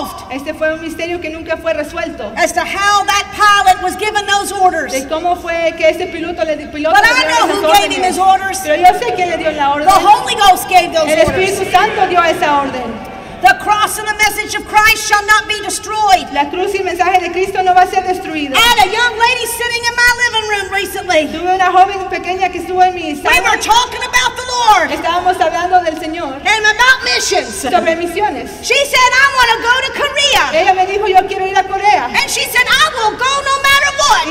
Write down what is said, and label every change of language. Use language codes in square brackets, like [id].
[es] Este fue un misterio que nunca fue resuelto. [en] As to how that pilot was given those orders. [es] De cómo fue que ese piloto le dio las órdenes. [en] But I know who gave him his orders. [es] Pero yo sé quién le dio la orden. [en] The Holy Ghost gave those orders. [es] El Espíritu [en] orders. [es] Santo dio esa orden. [en] The cross and the message of Christ shall not be destroyed. [es] La cruz y el mensaje de Cristo no va a ser destruido. [en] I had a young lady sitting in my living room recently. [es] Tuve una joven pequeña que estuvo en mi sala. [en] We were talking about the Lord. [es] Estábamos hablando del Señor. [en] And about missions. [es] Sobre misiones. [en] She said, I want to go to Korea. [es] Ella me dijo, yo quiero ir a Corea. [en] And she said, I will go no matter what.